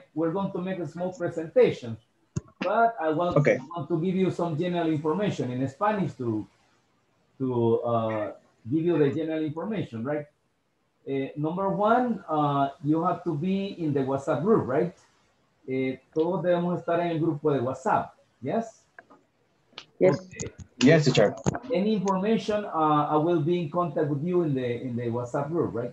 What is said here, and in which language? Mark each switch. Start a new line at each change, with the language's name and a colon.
English: We're going to make a small presentation, but I want, okay. I want to give you some general information in Spanish to give you the general information, right? Number one, you have to be in the WhatsApp group, right?
Spanish: Todos debemos estar en el grupo de WhatsApp, yes?
English: Yes, teacher. Any information, I will be in contact with you in the WhatsApp group, right?